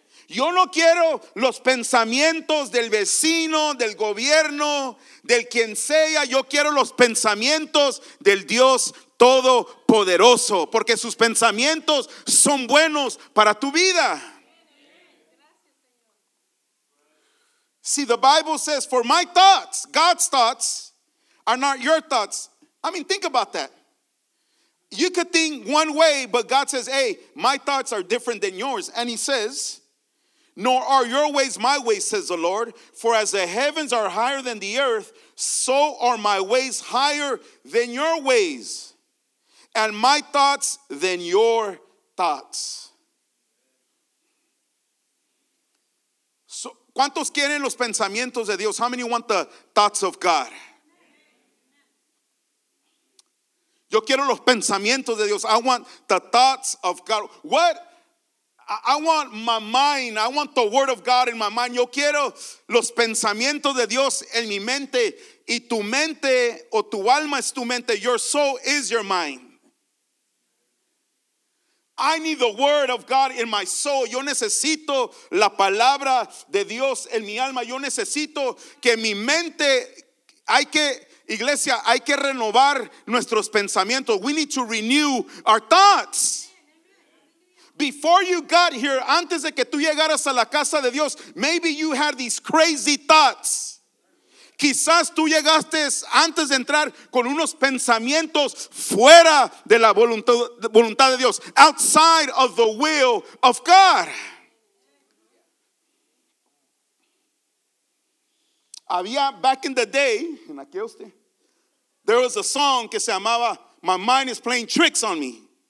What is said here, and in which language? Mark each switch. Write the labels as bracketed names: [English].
[Spanish] Yo no quiero los pensamientos del vecino, del gobierno, del quien sea. Yo quiero los pensamientos del Dios Todopoderoso, porque sus pensamientos son buenos para tu vida. [English] See, the Bible says, for my thoughts, God's thoughts, are not your thoughts. I mean, think about that. You could think one way, but God says, hey, my thoughts are different than yours. And he says, nor are your ways my ways, says the Lord. For as the heavens are higher than the earth, so are my ways higher than your ways, and my thoughts than your thoughts. So, [Spanish] ¿cuántos quieren los pensamientos de Dios? [English] How many want the thoughts of God? [Spanish] Yo quiero los pensamientos de Dios. [English] I want the thoughts of God. What? I want my mind, I want the word of God in my mind. [Spanish] Yo quiero los pensamientos de Dios en mi mente. Y tu mente o tu alma es tu mente. [English] Your soul is your mind. I need the word of God in my soul. [Spanish] Yo necesito la palabra de Dios en mi alma. Yo necesito que mi mente, hay que, iglesia, hay que renovar nuestros pensamientos. [English] We need to renew our thoughts. Before you got here, [Spanish] antes de que tú llegaras a la casa de Dios, [English] maybe you had these crazy thoughts. [Spanish] Quizás tú llegaste antes de entrar con unos pensamientos fuera de la voluntad de Dios. [English] Outside of the will of God. [Spanish] Había, [English] back in the day, [Spanish] en aquel usted, [English] there was a song [Spanish] que se llamaba [English] My Mind is Playing Tricks on Me.